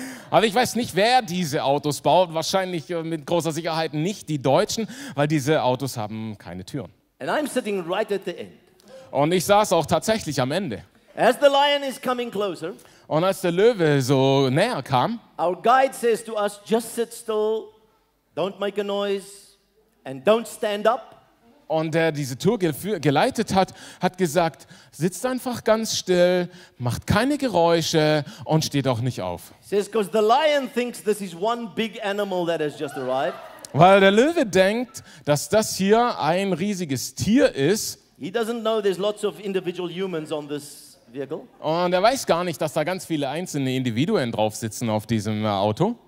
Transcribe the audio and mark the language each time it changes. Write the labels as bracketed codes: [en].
[de] Aber ich weiß nicht, wer diese Autos baut. Wahrscheinlich mit großer Sicherheit nicht die Deutschen, weil diese Autos haben keine Türen. [en] And I'm sitting right at the end. [de] Und ich saß auch tatsächlich am Ende. [en] As the lion is coming closer. [de] Und als der Löwe so näher kam, [en] our guide says to us, just sit still, don't make a noise, and don't stand up. [de] Und der diese Tour geleitet hat, hat gesagt, sitzt einfach ganz still, macht keine Geräusche und steht auch nicht auf. [en] Says, 'cause the lion thinks this is one big animal that has just arrived. [de] Weil der Löwe denkt, dass das hier ein riesiges Tier ist. [en] He doesn't know there's lots of individual humans on this. [de] Und er weiß gar nicht, dass da ganz viele einzelne Individuen drauf sitzen auf diesem Auto.